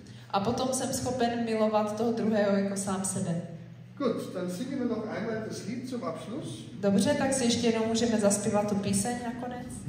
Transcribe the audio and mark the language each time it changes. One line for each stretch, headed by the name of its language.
Czech: A potom jsem schopen milovat toho druhého jako sám sebe.
German: Gut, dann singen wir noch einmal das Lied zum Abschluss.
Czech: Dobře, tak si ještě jednou můžeme zaspívat tu píseň nakonec.